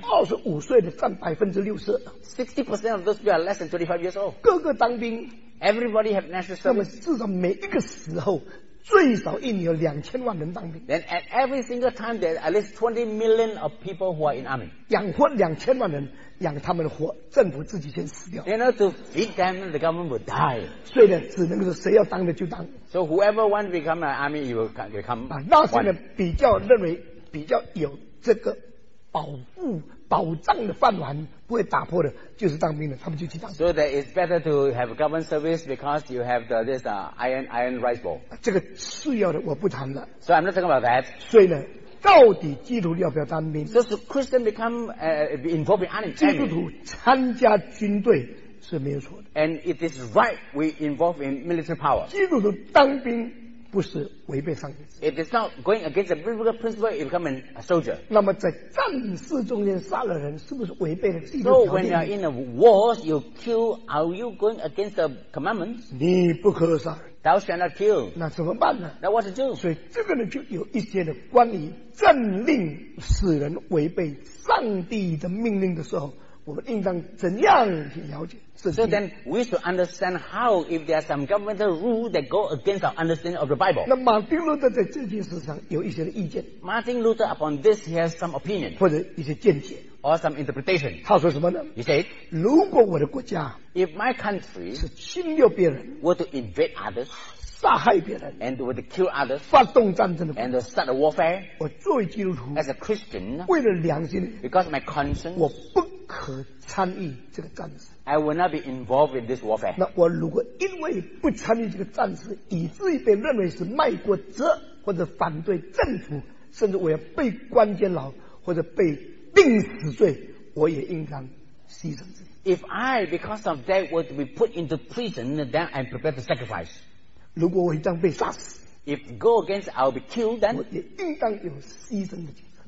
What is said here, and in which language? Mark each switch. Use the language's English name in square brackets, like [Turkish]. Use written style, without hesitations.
[Chinese] 25岁的占 60%. [English] 60% of those people are less than 25 years old. [Chinese] 个个当兵 [English] Everybody have national service. [Chinese] 那么至少每一个时候最少一年有2000万人当兵 [English] Then at every single time there are at least 20 million of people who are in army. [Chinese] 养活2000万人养他们活政府自己先死掉 [English] You know to feed them the government will die [Chinese] 所以呢只能是谁要当的就当 [English] So whoever wants to become an army you will become one [Chinese] 那些人比较认为比较有这个保护保障的饭碗不会打破的，就是当兵的，他们就去当兵。 [English] So that it's better to have government service because you have the, this iron rice bowl. [Chinese] 这个次要的我不谈了。 [English] So I'm not talking about that. [Chinese] 所以呢，到底基督徒要不要当兵？ [English] So should Christian become involved in army? [Chinese] 基督徒参加军队是没有错的。 [English] And it is right we involve in military power. [Chinese] 基督徒当兵不是违背上帝。 [English] It is not going against the biblical principle of becoming a soldier. [Chinese] 那么在战事中间杀了人，是不是违背了基督条例？ [English] So when you are in a war, you kill. Are you going against the commandments? [Chinese] 你不可杀。 [English] Thou shalt not kill. [Chinese] 那怎么办呢？ [English] Now what to do? [Chinese] 所以这个呢，就有一些的关于政令使人违背上帝的命令的时候，我们应当怎样去了解？ [English] So then we should understand how if there are some governmental rules that go against our understanding of the Bible. [Chinese] 那马丁路德在这件事上有一些的意见。 [English] Martin Luther upon this he has some opinion. [Chinese] 或者一些见解。 [English] Or some interpretation. [Chinese] 他说什么呢？ [English] He said, [Chinese] 如果我的国家 [English] if my country [Chinese] 是侵略别人 [English] were to invade others, [Chinese] 杀害别人 [English] and were to kill others, [Chinese] 发动战争的 [English] and to start a warfare, [Chinese] 我作为基督徒 [English] as a Christian, [Chinese] 为了良心 [English] because of my conscience, [Chinese] 我不可参与这个战事。 [English] I will not be involved in this warfare. [Chinese] 那我如果因为不参与这个战事，以至于被认为是卖国贼，或者反对政府，甚至我要被关监牢，或者被钉死罪，我也应当牺牲自己。 [English] If I, because of that, were to be put into prison, then I'm prepared to sacrifice. [Chinese] 如果我一旦被杀死 [English] ，If go against, I'll be killed. Then [Chinese] 我也应当有牺牲的精神。